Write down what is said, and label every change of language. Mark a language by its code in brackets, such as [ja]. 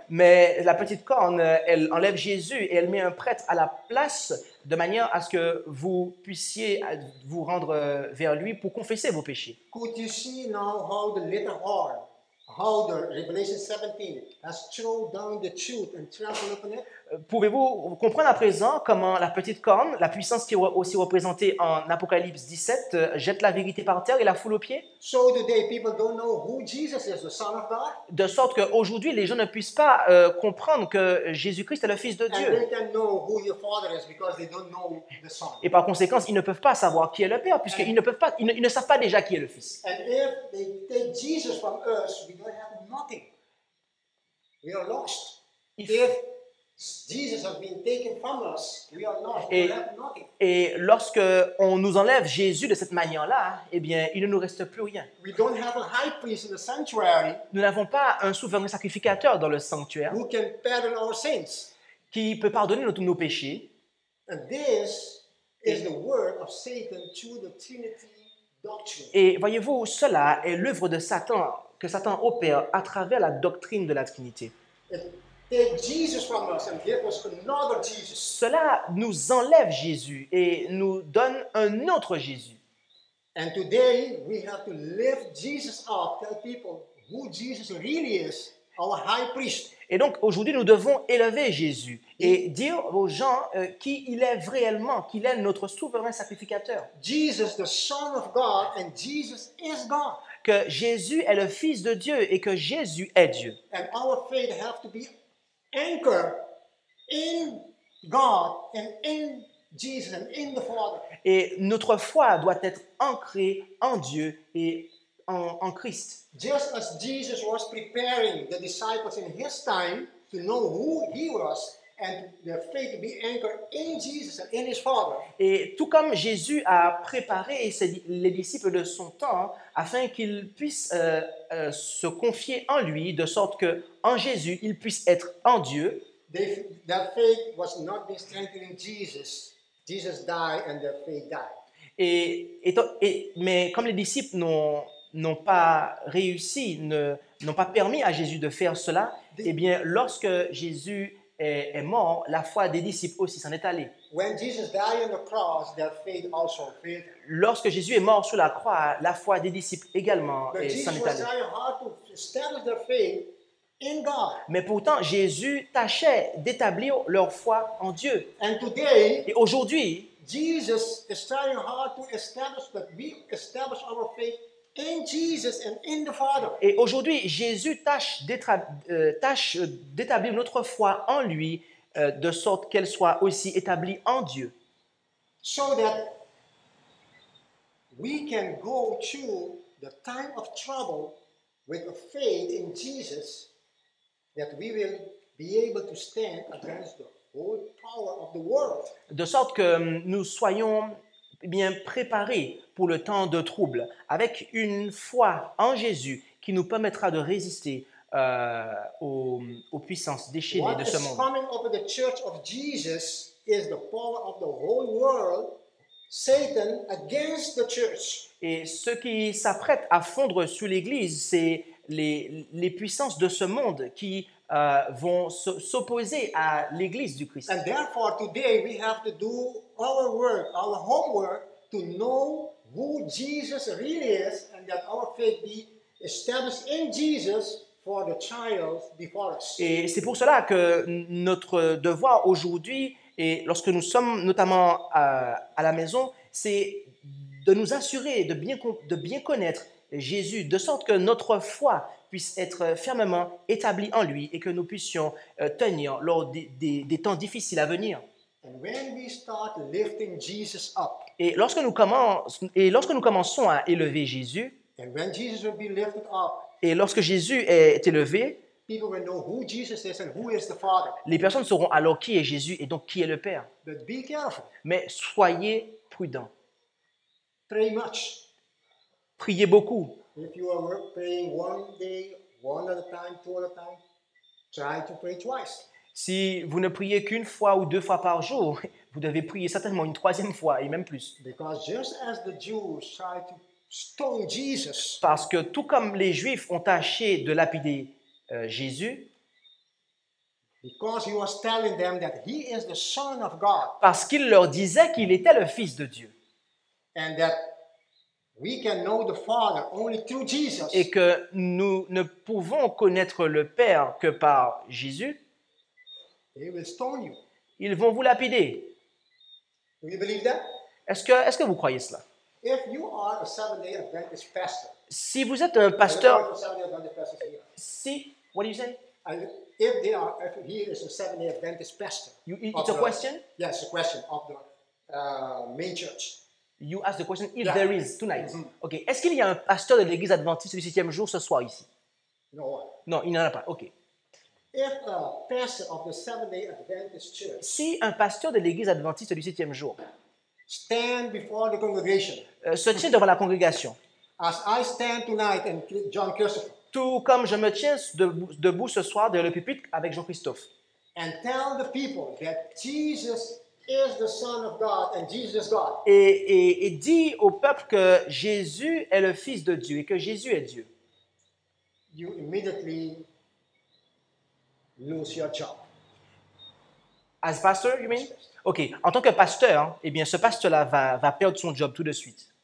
[fr] Mais la petite corne, elle enlève Jésus et elle met un prêtre à la place de manière à ce que vous puissiez vous rendre vers lui pour confesser vos péchés. [en] Could you see now how the little horn? How the Revelation 17 has thrown down the truth and trampled upon it? [fr] Pouvez-vous comprendre à présent comment la petite corne, la puissance qui est aussi représentée en Apocalypse 17, jette la vérité par terre et la foule aux pieds? [en] So today people don't know who Jesus is, the Son of God. [fr] De sorte que aujourd'hui les gens ne puissent pas comprendre que Jésus-Christ est le Fils de Dieu. [en] And they don't know who your Father is because they don't know the Son. [fr] Et par conséquent, ils ne peuvent pas savoir qui est le Père puisqu'ils ne peuvent pas, ils ne savent pas déjà qui est le Fils. [en] And if they take Jesus from us, we don't have nothing. We are lost. If Jesus has been taken from us. We are lost. We have nothing. [fr] Et lorsque on nous enlève Jésus de cette manière-là, eh bien, il ne nous reste plus rien. [en] We don't have a high priest in the sanctuary. [fr] Nous n'avons pas un souverain sacrificateur dans le sanctuaire. [en] Who can pardon our sins? [fr] Qui peut pardonner tous nos péchés? [en] And this is the work of Satan to the Trinity doctrine. [fr] Et voyez-vous, cela est l'œuvre de Satan que Satan opère à travers la doctrine de la Trinité. [en] Take Jesus from us and give us another Jesus. [fr] Cela nous enlève Jésus et nous donne un autre Jésus. [en] And today we have to lift Jesus up, tell people who Jesus really is, our high priest. [fr] Et donc aujourd'hui nous devons élever Jésus et dire aux gens qui il est réellement, qu'il est notre souverain sacrificateur. [en] Jesus the Son of God and Jesus is God. [fr] Que Jésus est le Fils de Dieu et que Jésus est Dieu. [en] And our faith have to be anchor in God and in Jesus and in the Father. [fr] Et notre foi doit être ancrée en Dieu et en Christ. [en] Just as Jesus was preparing the disciples in his time to know who he was and their faith to be anchored in Jesus and in his Father. [fr] Et tout comme Jésus a préparé les disciples de son temps afin qu'ils puissent se confier en lui de sorte que en Jésus ils puissent être en Dieu. [en] Their faith was not being strengthened in Jesus. Jesus died and their faith died. [fr] Mais comme les disciples n'ont pas réussi, n'ont pas permis à Jésus de faire cela, eh bien lorsque Jésus est mort, la foi des disciples aussi s'en est allée. [en] When Jesus died on the cross, their faith also failed. [fr] Lorsque Jésus est mort sur la croix, la foi des disciples également s'en est allée. [en] But Jesus was trying hard to establish their faith in God. [fr] Mais pourtant, Jésus tâchait d'établir leur foi en Dieu. [en] And today, [fr] et aujourd'hui, [en] Jesus is trying hard to establish that we establish our faith in Jesus and in the Father. [fr] Et aujourd'hui, Jésus tâche d'établir notre foi en lui de sorte qu'elle soit aussi établie en Dieu. [en] So that we can go through the time of trouble with a faith in Jesus that we will be able to stand against the whole power of the world. [fr] De sorte que nous soyons bien préparé pour le temps de trouble, avec une foi en Jésus qui nous permettra de résister aux puissances déchaînées de ce monde. [en] What is coming over the church of Jesus is the power of the whole world, Satan against the church. [fr] Et ce qui s'apprête à fondre sous l'Église, c'est les puissances de ce monde qui vont s'opposer à l'Église du Christ. [en] And therefore, today we have to do our work, our homework, to know who Jesus really is, and that our faith be established in Jesus for the trials before us. [fr] Et c'est pour cela que notre devoir aujourd'hui, et lorsque nous sommes notamment à la maison, c'est de nous assurer de bien connaître Jésus, de sorte que notre foi puisse être fermement établi en lui et que nous puissions tenir lors des temps difficiles à venir. [en] And when we start lifting Jesus up, [fr] et lorsque nous commençons à élever Jésus, [en] and When Jesus will be lifted up, [fr] et lorsque Jésus est élevé, [en] people will know who Jesus is and who is the Father. [fr] Les personnes sauront alors qui est Jésus et donc qui est le Père. [en] But be careful. [fr] Mais soyez prudents. [en] Pray much. [fr] Priez beaucoup. [en] If you are praying one day, one at a time, two at a time, try to pray twice. [fr] Si vous ne priez qu'une fois ou deux fois par jour, vous devez prier certainement une troisième fois et même plus. [en] Because just as the Jews tried to stone Jesus. [fr] Parce que tout comme les Juifs ont tâché de lapider Jésus, [en] because he was telling them that he is the Son of God. [fr] Parce qu'il leur disait qu'il était le Fils de Dieu. [en] And that we can know the Father only through Jesus. [fr] Et que nous ne pouvons connaître le Père que par Jésus. [en] They will stone you. [fr] Ils vont vous lapider. [en] Do you believe that? [fr] Est-ce que vous croyez cela? [en] If you are a Seventh-day Adventist pastor. [fr] Si vous êtes un pasteur. Si, [en] what do you say? If he is a Seventh-day Adventist pastor. It's a question? Yes, yeah, a question of the main church. You ask the question if there is tonight. Mm-hmm. Okay. [fr] Est-ce qu'il y a un pasteur de l'église adventiste du 7e jour ce soir ici? [en] No. [fr] Non, il n'y en a pas. Okay. [en] If a pastor of the Seventh-day Adventist church. [fr] Si un pasteur de l'église adventiste du 7e jour. [en] Stand before the congregation. [fr] Se tient devant la congrégation. [en] As I stand tonight and John Christopher. [fr] Tout comme je me tiens debout ce soir derrière le pupitre avec Jean-Christophe. [en] And tell the people that Jesus is the Son of God and Jesus God. [fr] Et dit au peuple que Jésus est le Fils de Dieu et que Jésus est Dieu. [en] You immediately lose your job. As pastor, you mean? Okay. [fr] En tant que pasteur, eh bien, ce pasteur-là va perdre son job tout de suite.